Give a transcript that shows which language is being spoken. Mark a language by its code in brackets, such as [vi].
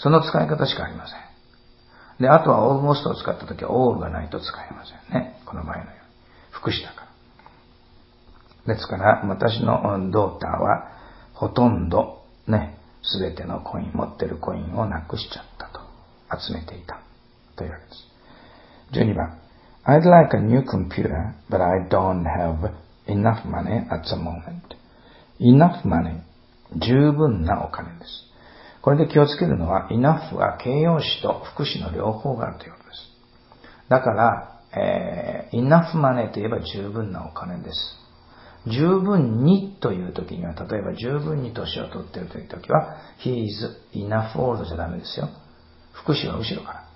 [ja] その使い方しかありません。で、あとは almost を使ったときは all がないと使えませんね。この場合のように。副詞だから。ですから、私のドーターはほとんどね、すべてのコイン、持ってるコインをなくしちゃったと。集めていたというわけです。 12番 [en] I'd like a new computer but I don't have enough money at the moment. enough money [ja] 十分なお金です。これで気をつけるのは enough は形容詞と副詞の両方があるということです。だから、 [en] enough money [ja] といえば十分なお金です。十分にというときには、例えば十分に年を取っているというときは [en] he is enough old [ja] じゃダメですよ。副詞は後ろから。